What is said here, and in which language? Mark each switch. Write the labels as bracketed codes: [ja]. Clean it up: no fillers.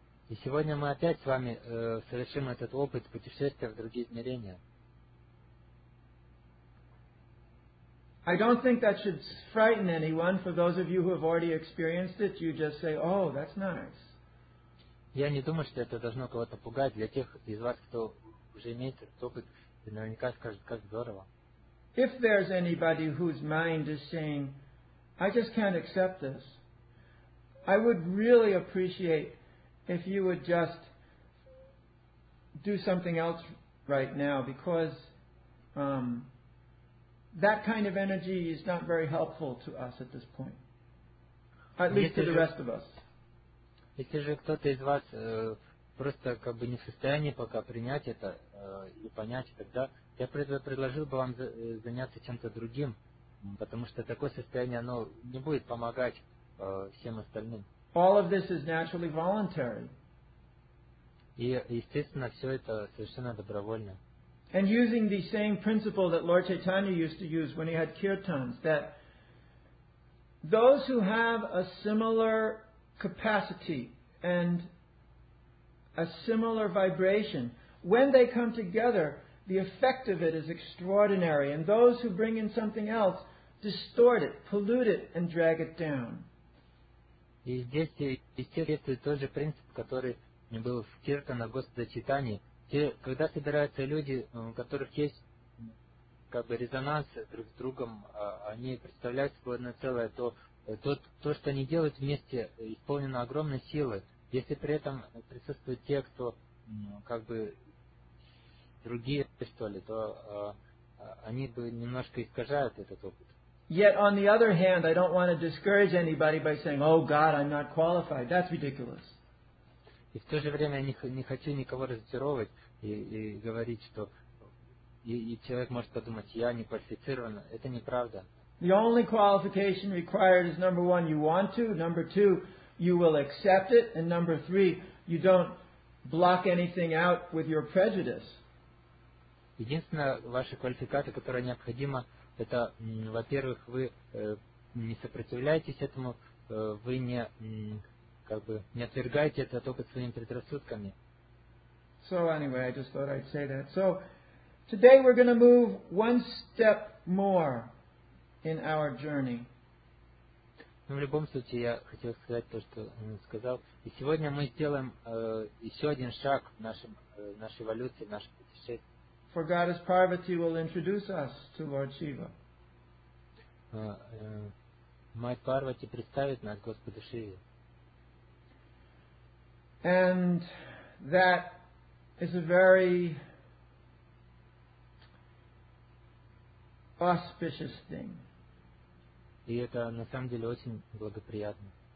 [ru] И сегодня мы опять с вами совершим этот опыт путешествия в другие измерения. [en] I don't think that should frighten anyone. For those of you who have already experienced it, you just say, "Oh, that's nice." [ru] Я не думаю, что это должно кого-то пугать. Для тех из вас, кто уже имеет этот опыт, наверняка скажет, как здорово. [en] If there's anybody whose mind is saying, "I just can't accept this," I would really appreciate if you would just do something else right now, because that kind of energy is not very helpful to us at this point. At least to the rest of us. [ru] Если же кто-то из вас просто как бы не в состоянии пока принять это и понять, тогда я предложил бы вам заняться чем-то другим, потому что такое состояние, оно не будет помогать всем остальным. [en] All of this is naturally voluntary. [ru] И, естественно, все это совершенно добровольно. [en] And using the same principle that Lord Chaitanya used to use when he had kirtans, that those who have a similar capacity and a similar vibration, when they come together, the effect of it is extraordinary. And those who bring in something else distort it, pollute it, and drag it down. [ru] И здесь есть тот же принцип, который был в киртанах Господа Чайтаньи. Когда собираются люди, у которых есть как бы резонанс друг с другом, они представляют собой одно целое, то, то, что они делают вместе, исполнено огромной силой. Если при этом присутствуют те, кто как бы другие, что ли, то они бы немножко искажают этот опыт. [en] Yet, on the other hand, I don't want to discourage anybody by saying, "Oh God, I'm not qualified." That's ridiculous. [ru] И в то же время я не хочу никого разочаровывать и говорить, что и человек может подумать, я не квалифицирован. Это неправда. [en] The only qualification required is, number one, you want to, number two, you will accept it, and number three, you don't block anything out with your prejudice. [ru] Единственная ваша квалификация, которая необходима, это, во-первых, вы не сопротивляетесь этому, вы не как бы не отвергайте это только своими предрассудками. [en] So anyway, I just thought I'd say that. So today we're going to move one step more in our journey. [ru] Ну, в любом случае, я хотел сказать то, что он сказал. И сегодня мы сделаем еще один шаг в нашей эволюции, в нашем путешествии. [en] For God as Parvati will introduce us to Lord Shiva. [ru] Мать Парвати представит нас Господу Шиве. [en] And that is a very auspicious thing. [ru] И это на самом деле очень благоприятно.